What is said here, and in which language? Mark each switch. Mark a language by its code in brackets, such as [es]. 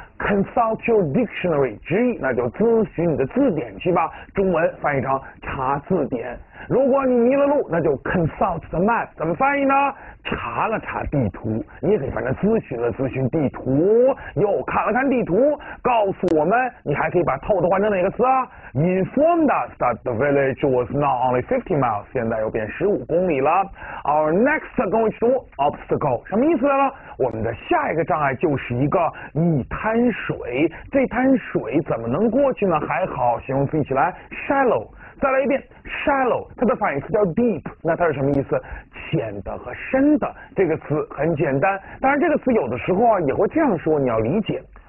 [en] consult your dictionary， [zh] 直译那就咨询你的字典去吧，中文翻译成查字典。如果你迷了路，那就 [en] consult the map， [zh] 怎么翻译呢？查了查地图，你也可以反正咨询了咨询地图，又看了看地图，告诉我们，你还可以把 told 换成哪个词啊？ [en] informed us that the village was not only 50 miles， [zh] 现在又变15公里了。 [en] our next [zh] 跟我一起读 obstacle， 什么意思呢？我们的下一个障碍就是一个一滩水，这滩水怎么能过去呢？还好形容词一起来 shallow。再来一遍 shallow， 它的反义词叫 deep， 那它是什么意思？浅的和深的。这个词很简单，当然这个词有的时候啊也会这样说，你要理解。